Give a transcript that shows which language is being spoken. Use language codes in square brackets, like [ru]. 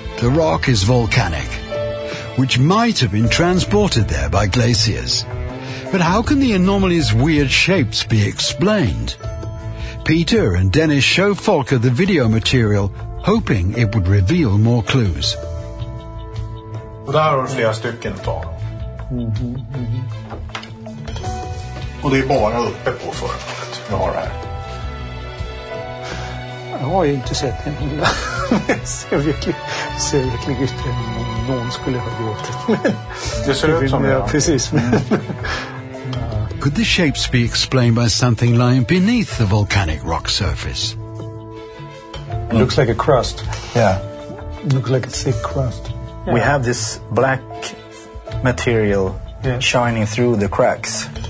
[sv] The rock is volcanic, which might have been transported there by glaciers. But how can the anomaly's weird shapes be explained? Peter and Dennis show Volker the video material, hoping it would reveal more clues. Och där har du flera stycken att ta. Och det är bara uppe på föremålet vi har det här. Jag har ju inte sett en hund. Det ser verkligen ut som någon skulle ha gjort det. Det ser ut som jag. Precis. [en] Could the shapes be explained by something lying beneath the volcanic rock surface? Looks like a crust. Yeah. Looks like a thick crust. Yeah. We have this black material shining through the cracks.